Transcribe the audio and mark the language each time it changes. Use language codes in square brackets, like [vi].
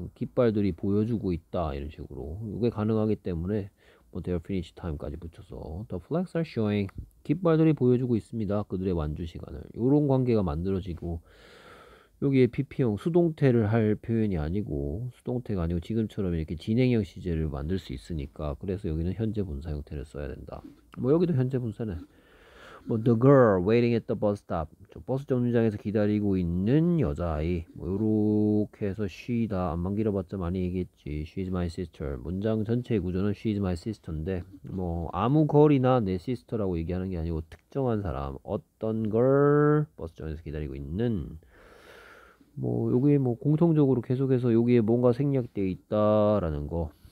[ko] 깃발들이 보여주고 있다 이런 식으로 이게 가능하기 때문에 뭐 their finish time까지 붙여서 [en] the flags are showing [ko] 깃발들이 보여주고 있습니다. 그들의 완주 시간을 이런 관계가 만들어지고 여기에 PP형 수동태를 할 표현이 아니고 수동태가 아니고 지금처럼 이렇게 진행형 시제를 만들 수 있으니까 그래서 여기는 현재 분사 형태를 써야 된다. 뭐 여기도 현재 분사네. [en] 뭐 the girl waiting at the bus stop. [ko] 저 버스 정류장에서 기다리고 있는 여자아이. 뭐 요렇게 해서 she다. 암만 길어봤자 많이 얘기했지. [en] She's my sister. [ko] 문장 전체의 구조는 [en] she's my sister [ko] 인데 뭐 아무 걸이나 내 sister라고 얘기하는 게 아니고 특정한 사람 어떤 걸 버스 정류장에서 기다리고 있는 뭐 여기에 뭐 공통적으로 계속해서 여기에 뭔가 생략돼 있다라는 거.